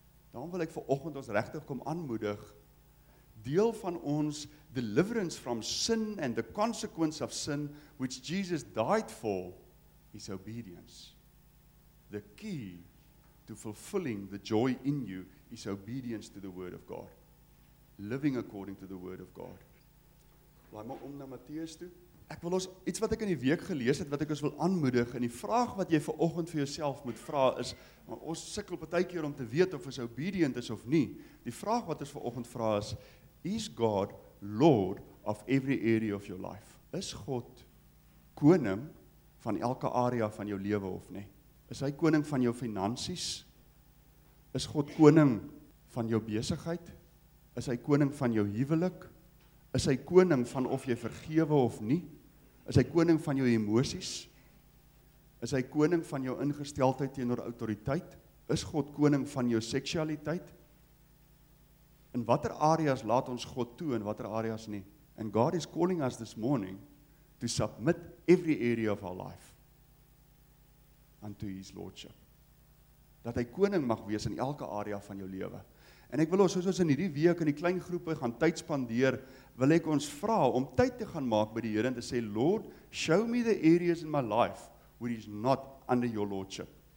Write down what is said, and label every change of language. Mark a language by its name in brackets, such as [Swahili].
[Afrikaans] Daarom wil ek vir oggend ons regtig kom aanmoedig, deel van ons [English] deliverance from sin and the consequence of sin which Jesus died for is obedience. The key to fulfilling the joy in you is obedience to the word of God. living according to the word of God. [Afrikaans] Laat my om na Matteus toe. Ek wil ons iets wat ek in die week gelees het, wat ek ons wil aanmoedig, en die vraag wat jy vanoggend vir jouself moet vra is, maar ons sukkel baie keer om te weet of ons obedient is of nie. Die vraag wat ons vanoggend vra is, is God [English] Lord of every area of your life? [Afrikaans] Is God koning van elke area van jou lewe of nie? Is hy koning van jou finansies? Is God koning van jou besigheid? Is hy koning van jou huwelik? Is hy koning van of jy vergewe of nie? Is hy koning van jou emosies? Is hy koning van jou ingesteldheid teenoor autoriteit? Is God koning van jou seksualiteit? In watter areas laat ons God toe en watter areas nie? [English] And God is calling us this morning to submit every area of our life unto his lordship. [Afrikaans] Dat hy koning mag wees in elke area van jou lewe. En ek wil ons, soos ons in hierdie week in die klein groepe gaan tyd spandeer, wil ek ons vra om tyd te gaan maak by die Here en te sê, [English] Lord, show me the areas in my life where he's not under your lordship.